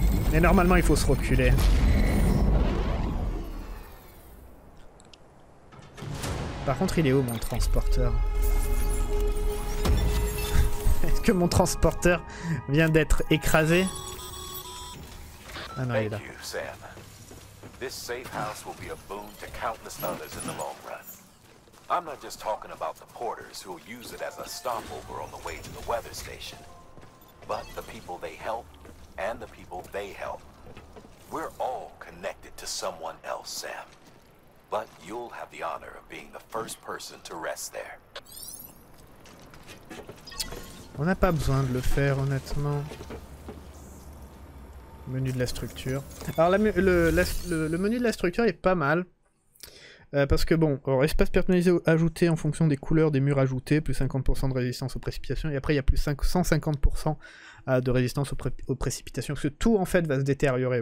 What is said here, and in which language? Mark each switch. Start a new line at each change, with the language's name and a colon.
French: Mais normalement, il faut se reculer. Par contre, il est où mon transporteur? Est-ce que mon transporteur vient d'être écrasé? Ah non, il est là.
English: Thank you, Sam. This safe house will be a boon to countless others in the long run. I'm not just talking about the porters who will use it as a stopover on the way to the weather station. But the people they help, and the people they help. We're all connected to someone else, Sam. But you'll have the honor of being the first person to rest there.
French: On n'a pas besoin de le faire, honnêtement. Menu de la structure. Alors, le menu de la structure est pas mal. Parce que bon, alors, espace personnalisé ajouté en fonction des couleurs des murs ajoutés, plus 50% de résistance aux précipitations, et après il y a plus 150% de résistance aux précipitations, parce que tout en fait va se détériorer.